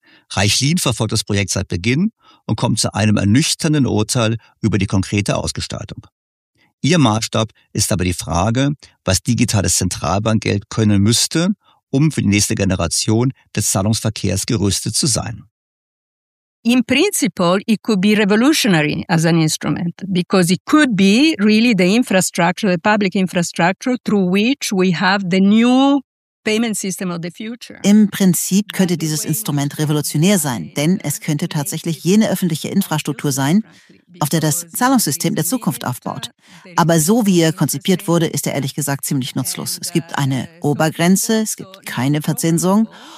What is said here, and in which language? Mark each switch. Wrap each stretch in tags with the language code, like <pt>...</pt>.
<de>Reichlin verfolgt das Projekt seit Beginn und kommt zu einem ernüchternden Urteil über die konkrete Ausgestaltung. Ihr Maßstab ist aber die Frage, was digitales Zentralbankgeld können müsste, um für die nächste Generation des Zahlungsverkehrs gerüstet zu sein.</de> <en>In principle, it could be revolutionary as an instrument, because it could be really the infrastructure, the public infrastructure, through which we have the new payment system of the future.</en> <de>Im Prinzip könnte dieses Instrument revolutionär sein, denn es könnte tatsächlich jene öffentliche Infrastruktur sein, auf der das Zahlungssystem der Zukunft aufbaut. Aber so wie er konzipiert wurde, ist er ehrlich gesagt ziemlich nutzlos. Es gibt eine Obergrenze, es gibt keine Verzinsung.</de>